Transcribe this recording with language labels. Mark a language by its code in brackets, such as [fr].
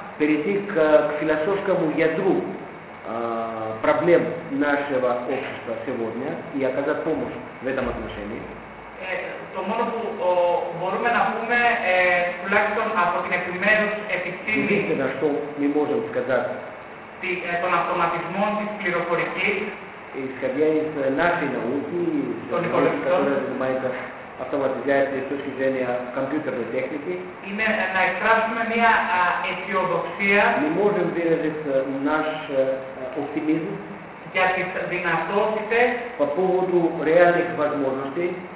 [ru] Перейти к философскому ядру проблем нашего общества сегодня и оказать помощь в этом отношении. [el] Το μόνο που μπορούμε να πούμε, τουλάχιστον από την επιμέρους επιστήμη. [ru] Единственное, что мы можем сказать. [el] Των αυτοματισμών της πληροφορικής. [ru] Исходя из нашей науки, которая занимается автоматизацией с точки зрения компьютерной техники, [el] είναι να εκφράσουμε μια αισιοδοξία. [ru] Мы можем выразить наш оптимизм [el] για τις δυνατότητες [ru] по поводу реальных возможностей